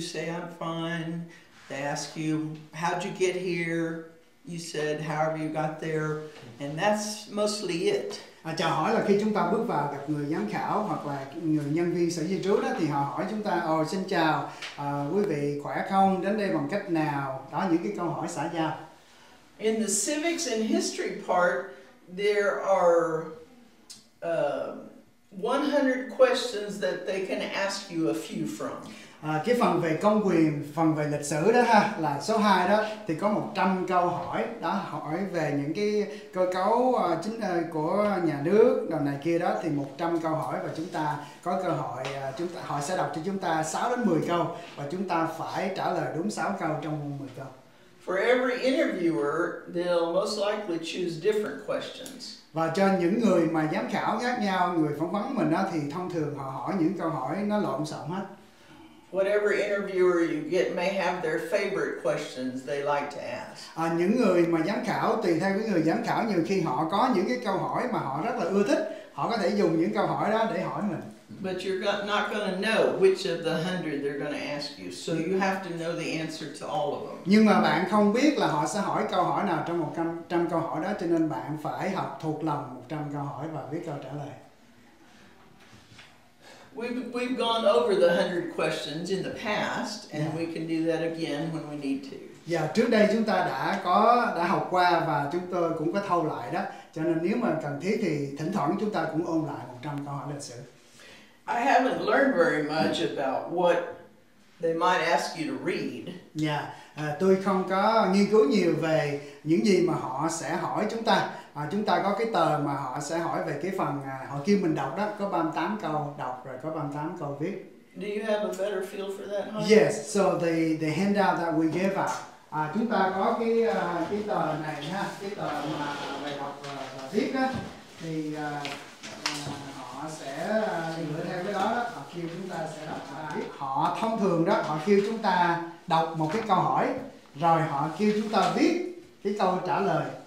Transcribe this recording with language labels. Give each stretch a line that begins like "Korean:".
English: You say, I'm fine. They ask you, how'd you get here? You said, however you got there. And that's mostly it.
Vietnamese: À, chào hỏi là khi chúng ta bước vào gặp người giám khảo hoặc là người nhân viên sở di trú đó, thì họ hỏi chúng ta, ồ, xin chào, quý vị khỏe không? Đến đây bằng cách nào? Đó, những cái câu hỏi xã giao.
English: In the civics and history part, there are 100 questions that they can ask you a few from.
Vietnamese: À, cái phần về công quyền, phần về lịch sử đó ha, là số 2 đó, thì có 100 câu hỏi, đó, hỏi về những cái cơ cấu chính của nhà nước, đầu này kia đó, thì 100 câu hỏi và chúng ta có cơ hội, chúng ta, họ sẽ đọc cho chúng ta 6 đến 10 câu và chúng ta phải trả lời đúng 6 câu trong 10 câu.
English: For every interviewer, they'll most likely choose different questions.
Vietnamese: Và cho những người mà giám khảo khác nhau, người phỏng vấn mình đó, thì thông thường họ hỏi những câu hỏi nó lộn xộn hết.
English: Whatever interviewer you get may have their favorite questions they like to ask.
Vietnamese: À, những người mà giám khảo, tùy theo cái người giám khảo, nhiều khi họ có những cái câu hỏi mà họ rất là ưa thích, họ có thể dùng những câu hỏi đó để hỏi mình.
English: But you're not going to know which of the 100 they're going to ask you, so you have to know the answer to all of them.
Vietnamese: Nhưng mà bạn không biết là họ sẽ hỏi câu hỏi nào trong 100 câu hỏi đó, cho nên bạn phải học thuộc lòng 100 câu hỏi và biết câu trả lời.
English: We've gone over the 100 questions in the past, and yeah, we can do that again when we need to.
Vietnamese: Yeah, trước đây chúng ta đã học qua và chúng tôi cũng có thâu lại đó. Cho nên nếu mà cần thiết thì thỉnh thoảng chúng ta cũng ôn lại 100 câu hỏi lịch sử.
English: I haven't learned very much about what they might ask you to read.
Vietnamese: Yeah, tôi không có nghiên cứu nhiều về những gì mà họ sẽ hỏi chúng ta. À, chúng ta có cái tờ mà họ sẽ hỏi về cái phần họ kêu mình đọc đó, có 38 câu đọc rồi có 38 câu viết.
English: Do you have a better feel for that, huh? Yes, so the handout that we gave out.
Vietnamese: À, chúng ta có cái tờ này ha, cái tờ mà bài học viết đó, thì họ sẽ dựa theo cái đó, họ kêu chúng ta sẽ đọc viết. Họ thông thường đó, họ kêu chúng ta đọc một cái câu hỏi, rồi họ kêu chúng ta viết cái câu trả lời.